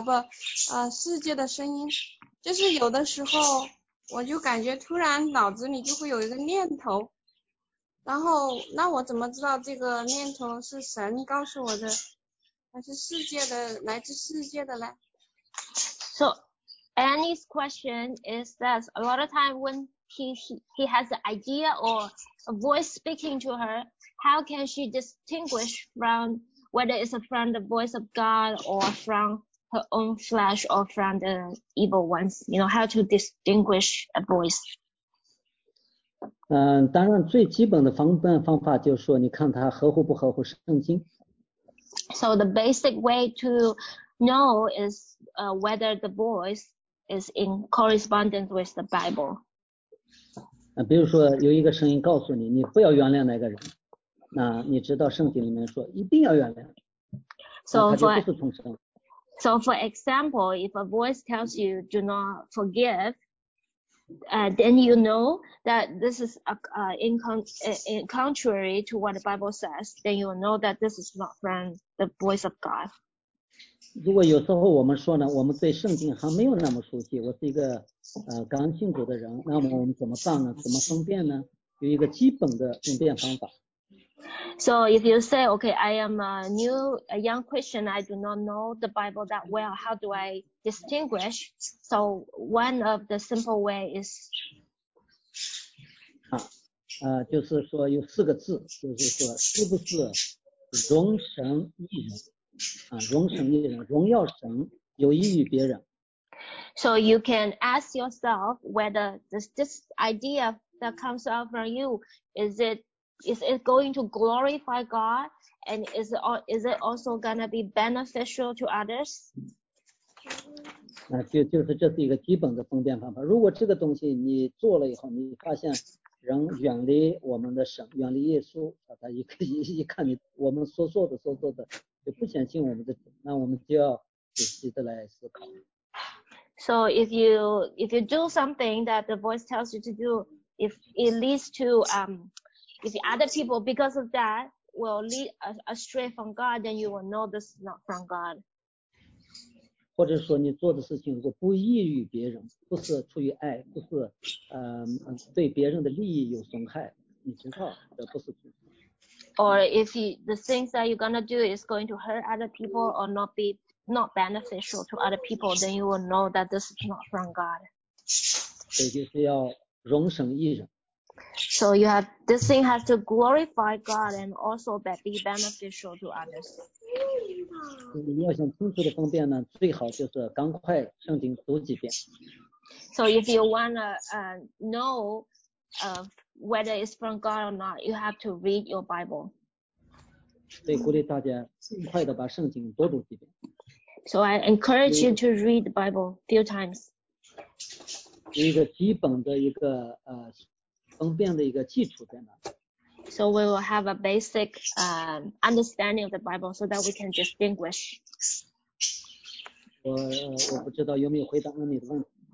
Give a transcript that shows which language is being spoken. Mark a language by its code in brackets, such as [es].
[zh] 不，世界的声音，就是有的时候，我就感觉突然脑子里就会有一个念头，然后那我怎么知道这个念头是神告诉我的，还是世界的，来自世界的呢？ [en] So Annie's question is that a lot of time when he has an idea or a voice speaking to her, how can she distinguish from whether it's from the voice of God or from her own flesh or from the evil ones? You know, how to distinguish a voice? [zh] 当然最基本的方法就是说你看他合乎不合乎圣经。 [en] So the basic way to know is whether the voice is in correspondence with the Bible. [zh] 比如说有一个声音告诉你，你不要原谅那个人，那你知道圣经里面说一定要原谅， [en] so [zh] 他就不是从神。 [en] So for example, if a voice tells you do not forgive, then you know that this is in contrary to what the Bible says, then you will know that this is not from the voice of God. [zh] 如果有时候我们说呢，我们对圣经还没有那么熟悉，我是一个刚信主的人，那么我们怎么办呢？怎么分辨呢？有一个基本的分辨方法。 [en] So if you say, okay, I am a young Christian, I do not know the Bible that well, how do I distinguish? So one of the simple way is... [zh] 就是说有四个字，就是说是不是荣神益人，荣神益人，荣耀神，有益于别人。 [en] So you can ask yourself whether this idea that comes out from you, is it going to glorify God, and is it also going to be beneficial to others? [zh] 就是这是一个基本的分辨方法。如果这个东西你做了以后，你发现人远离我们的神，远离耶稣，一看你我们说错的，就不相信我们的，那我们就要仔细的来思考。 [en] So if you do something that the voice tells you to do, if it leads to if other people, because of that, will lead astray from God, then you will know this is not from God. [zh] 或者说你做的事情如果不益于别人，不是出于爱，不是对别人的利益有损害，你知道这不是。 [en] Or if the things that you're gonna do is going to hurt other people or not beneficial to other people, then you will know that this is not from God. [zh] 所以就是要容神益人。 [en] So you have this thing has to glorify God and also be beneficial to others. [zh] 你要想清楚的分辨呢，最好就是赶快圣经读几遍。 [en] So if you wanna know whether it's from God or not, you have to read your Bible. [zh] 所以鼓励大家尽快的把圣经多读几遍。 [en] So I encourage you to read the Bible a few times. [zh] 一个基本的一个分辨的一个基础在哪？ [en] So we will have a basic understanding of the Bible so that we can distinguish. [zh] 我不知道有没有回答你的问题。